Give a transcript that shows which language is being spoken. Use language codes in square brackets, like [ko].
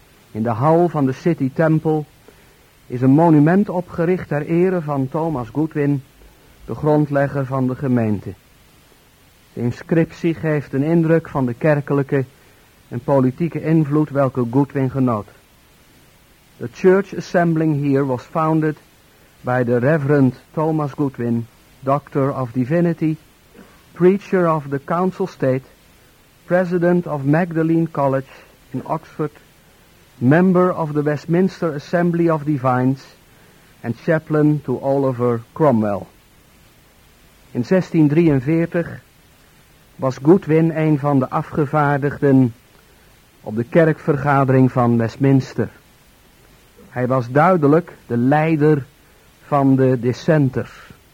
[nl] In de hal van de City Temple is een monument opgericht ter ere van Thomas Goodwin, de grondlegger van de gemeente. De inscriptie geeft een indruk van de kerkelijke en politieke invloed welke Goodwin genoot. [en] The church assembling here was founded by the Reverend Thomas Goodwin, Doctor of Divinity, Preacher of the Council State, President of Magdalene College in Oxford, Member of the Westminster Assembly of Divines and Chaplain to Oliver Cromwell. [nl] In 1643 was Goodwin een van de afgevaardigden op de kerkvergadering van Westminster. Hij was duidelijk de leider van de dissenters.